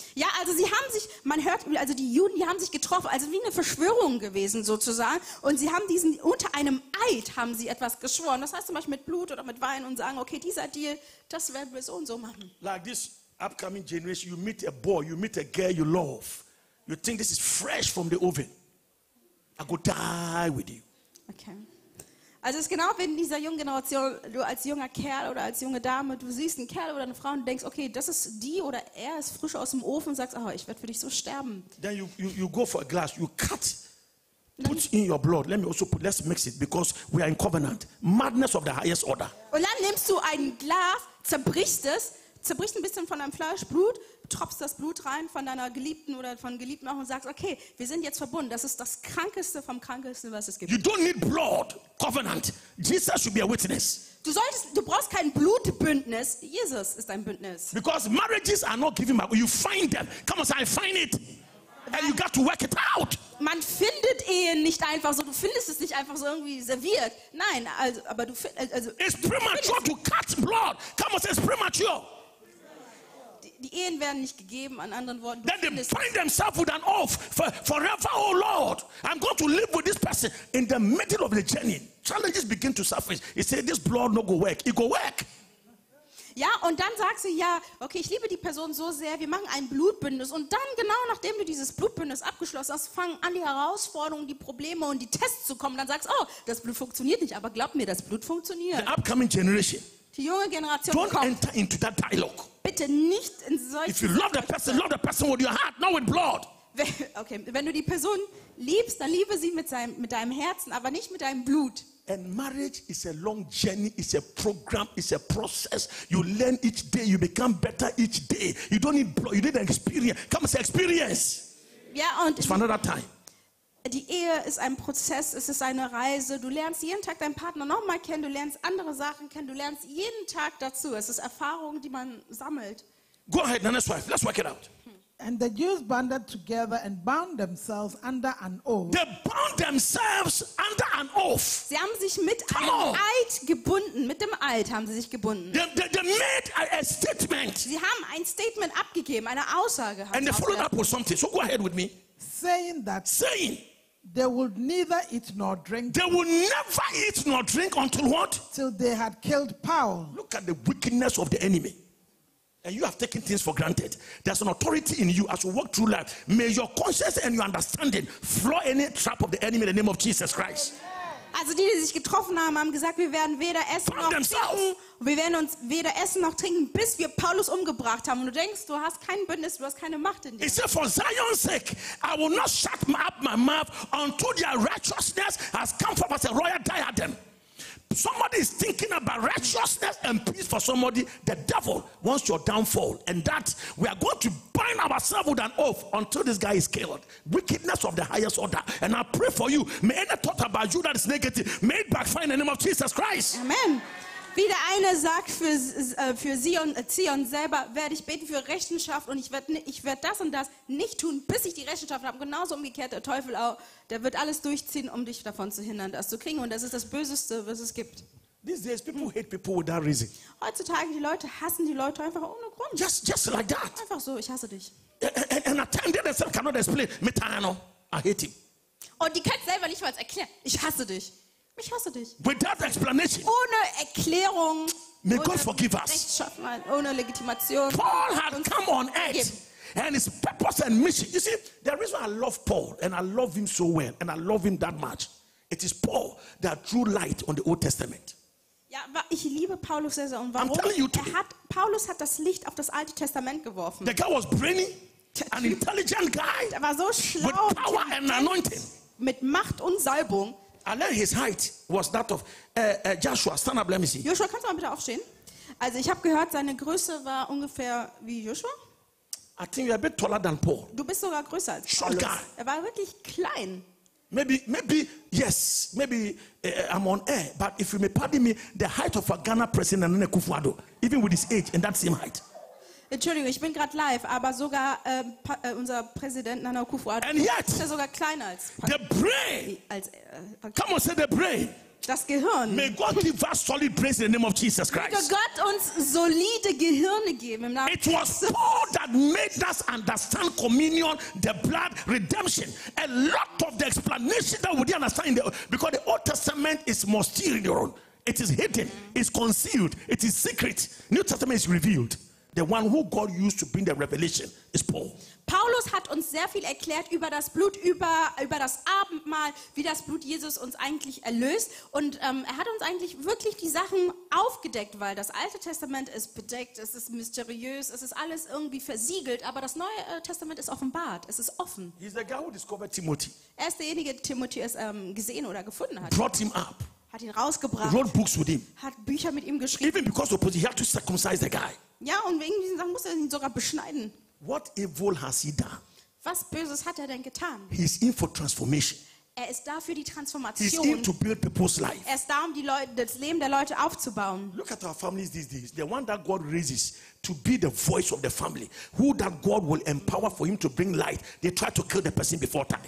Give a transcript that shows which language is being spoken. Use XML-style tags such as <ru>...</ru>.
<de>Ja, also sie haben sich, man hört, also die Juden, die haben sich getroffen, also wie eine Verschwörung gewesen sozusagen. Und sie haben diesen, unter einem Eid haben sie etwas geschworen. Das heißt zum Beispiel mit Blut oder mit Wein und sagen, okay, dieser Deal, das werden wir so und so machen.</de> <en>Like this upcoming generation, you meet a boy, you meet a girl you love. You think this is fresh from the oven. I go die with you. Okay.</en> <de>Also es ist genau wie in dieser jungen Generation, du als junger Kerl oder als junge Dame, du siehst einen Kerl oder eine Frau und denkst, okay, das ist die oder er ist frisch aus dem Ofen und sagst, oh, ich werde für dich so sterben.</de> <en>Then you go for a glass, you cut, put in your blood, let's mix it, because we are in covenant, madness of the highest order.</en> <de>Und dann nimmst du ein Glas, zerbrichst es, zerbrichst ein bisschen von deinem Fleisch, Blut, tropfst das Blut rein von deiner Geliebten oder von Geliebten auch und sagst, okay, wir sind jetzt verbunden. Das ist das Krankeste vom Krankesten, was es gibt.</de> <en>You don't need blood, covenant. Jesus should be a witness.</en> <de>Du brauchst kein Blutbündnis. Jesus ist dein Bündnis.</de> <en>Because marriages are not given by you. You find them. Come on, say, I find it. And you got to work it out.</en> <de>Man findet Ehen nicht einfach so. Du findest es nicht einfach so irgendwie serviert. Nein, also, aber du findest... Also,</de> <en>it's premature to cut blood. Come on, say, it's premature.</en> <de>Die Ehen werden nicht gegeben, an anderen Worten.</de> <en>Then they find themselves with an oath forever, oh Lord. I'm going to live with this person in the middle of the journey. Challenges begin to surface. He said, this blood no go work. It go work.</en> <de>Ja, und dann sagst du, ja, okay, ich liebe die Person so sehr, wir machen ein Blutbündnis. Und dann, genau nachdem du dieses Blutbündnis abgeschlossen hast, fangen an die Herausforderungen, die Probleme und die Tests zu kommen. Dann sagst du, oh, das Blut funktioniert nicht, aber glaub mir, das Blut funktioniert.</de> <en>The upcoming generation.</en> <de>Die junge Generation kommt.</de> <en>Don't enter into that dialogue.</en> <de>Bitte nicht in solche.</de> <en>If you love the person, love the person with your heart, not with blood.</en> <de>Okay, wenn du die Person liebst, dann liebe sie mit deinem Herzen, aber nicht mit deinem Blut.</de> <en>And marriage is a long journey, it's a program, it's a process. You learn each day, you become better each day. You don't need blood, you need experience. Come and say experience.</en> <de>Ja, und</de> <en>it's for another time.</en> <de>Die Ehe ist ein Prozess, es ist eine Reise. Du lernst jeden Tag deinen Partner nochmal kennen, du lernst andere Sachen kennen, du lernst jeden Tag dazu. Es ist Erfahrung, die man sammelt.</de> <en>Go ahead, Nana's wife, let's work it out. And the Jews banded together and bound themselves under an oath. They bound themselves under an oath.</en> <de>Sie haben sich mit einem Eid gebunden. Mit dem Eid haben sie sich gebunden.</de> <en>They made a statement.</en> <de>Sie haben ein Statement abgegeben, eine Aussage.</de> <en>And they followed up with something. So go ahead with me. Saying that they would neither eat nor drink. They would never eat nor drink until what? Till they had killed Paul. Look at the wickedness of the enemy. And you have taken things for granted. There's an authority in you as you walk through life. May your conscience and your understanding floor any trap of the enemy in the name of Jesus Christ.</en> <de>Also die, die sich getroffen haben, haben gesagt, wir werden weder essen noch trinken. Wir werden uns weder essen noch trinken, bis wir Paulus umgebracht haben. Und du denkst, du hast kein Bündnis, du hast keine Macht in dir.</de> <en>He said, for Zion's sake, I will not shut up my mouth until their righteousness has come forth as a royal diadem. Somebody is thinking about righteousness and peace for somebody. The devil wants your downfall. And that we are going to bind ourselves with an oath until this guy is killed. Wickedness of the highest order. And I pray for you. May any thought about you that is negative, may it backfire in the name of Jesus Christ. Amen.</en> <de>Wie der eine sagt, für Zion selber werde ich beten für Rechenschaft und ich werde das und das nicht tun, bis ich die Rechenschaft habe. Genauso umgekehrt, der Teufel auch, der wird alles durchziehen, um dich davon zu hindern, das zu kriegen. Und das ist das Böseste, was es gibt.</de> <en>These days people hate people without reason.</en> <de>Heutzutage, die Leute hassen die Leute einfach ohne Grund.</de> <en>Just like that.</en> <de>Einfach so, ich hasse dich.</de> <en>And at times they themselves cannot explain. Metano, I hate him.</en> <de>Und die können selber nicht mal erklären. Ich hasse dich. Ich hasse dich.</de> <en>Without explanation.</en> <de>Ohne Erklärung.</de> <en>May God forgive us.</en> <de>Ohne Legitimation.</de> <en>Paul had come on earth. And his purpose and mission. You see, the reason I love Paul and I love him so well and I love him that much. It is Paul that drew light on the Old Testament.</en> <de>Ja, ich liebe Paulus sehr. Und warum?</de> <en>I'm telling you today.</en> <de>Paulus hat das Licht auf das Alte Testament geworfen.</de> <en>The guy was brainy. An intelligent guy.</en> <de>Er war so schlau.</de> <en>With power and anointing.</en> <de>Mit Macht und Salbung.</de> <en>I learned his height was that of Joshua. Stand up, let me see.</en> <de>Joshua, kannst du mal bitte aufstehen? Also ich habe gehört, seine Größe war ungefähr wie Joshua.</de> <en>I think you are a bit taller than Paul.</en> <de>Du bist sogar größer als</de> <en>Short</en> <de>Paulus.</de> <en>Guy.</en> <de>Er war wirklich klein.</de> <en>Maybe I'm on air, but if you may pardon me, the height of a Ghana president, Nana Akufo-Addo, even with his age and that same height.</en> <de>Entschuldigung, ich bin gerade live, aber sogar unser Präsident Nana Akufo-Addo ist er sogar kleiner als</de> <en>the brain. Come on, say the brain.</en> <de>Das Gehirn.</de> <en>May God give us solid brains in the name of Jesus Christ.</en> <de>Möge Gott uns solide Gehirne geben im Namen.</de> <en>It was Paul that made us understand communion, the blood, redemption. A lot of the explanation that we didn't understand in the, because the Old Testament is mysterious. It is hidden, it's concealed, it is secret. New Testament is revealed. The one who God used to bring the revelation is Paul.</en> <de>Paulus hat uns sehr viel erklärt über das Blut, über das Abendmahl, wie das Blut Jesus uns eigentlich erlöst. Und er hat uns eigentlich wirklich die Sachen aufgedeckt, weil das Alte Testament ist bedeckt, es ist mysteriös, es ist alles irgendwie versiegelt, aber das Neue Testament ist offenbart, es ist offen.</de> <en>He's the guy who discovered Timothy.</en> <de>Er ist derjenige, der Timothy gesehen oder gefunden hat.</de> <en>Brought him up.</en> <de>Hat ihn rausgebracht.</de> <en>Wrote books with him.</en> <de>Hat Bücher mit ihm geschrieben.</de> <en>Even because opposite, he had to circumcise the guy.</en> <de>Ja, und wegen diesen Sachen musste er ihn sogar beschneiden.</de> <en>What evil has he done?</en> <de>Was Böses hat er denn getan?</de> <en>He is in for transformation.</en> <de>Er ist da für die Transformation.</de> <en>He is in to build people's life.</en> <de>Er ist da, um die Leute, das Leben der Leute aufzubauen.</de> <en>Look at our families these days. The one that God raises to be the voice of the family, who that God will empower for him to bring light. They try to kill the person before time.</en>